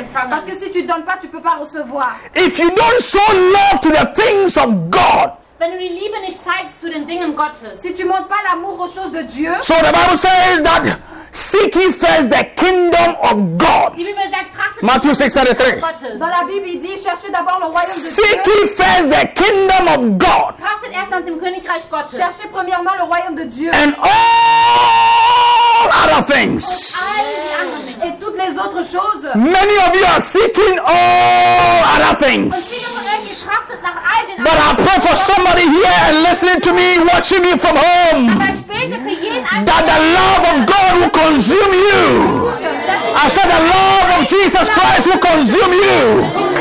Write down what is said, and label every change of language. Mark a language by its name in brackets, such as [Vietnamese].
[French] Parce que si tu donnes pas, tu peux pas recevoir. [English] If you don't show love to the things of God, [German] wenn du die Liebe nicht zeigst zu den Dingen Gottes, [French] si tu montres pas l'amour aux choses de Dieu, [English] so the Bible says that seek ye first the kingdom of God. Matthew 6:33. [French] Dans la Bible, il dit cherchez d'abord le royaume de Dieu. [English] Seek ye first the kingdom of God. [German] Trachtet erst nach dem Königreich Gottes. [French] Cherchez premièrement le royaume de Dieu. [English] And all other things. [French] Et toutes les autres choses. [English] Many of you are seeking all other things. But I pray for somebody here and listening to me, watching me from home, that the love of God will consume you. I said the love of Jesus Christ will consume you.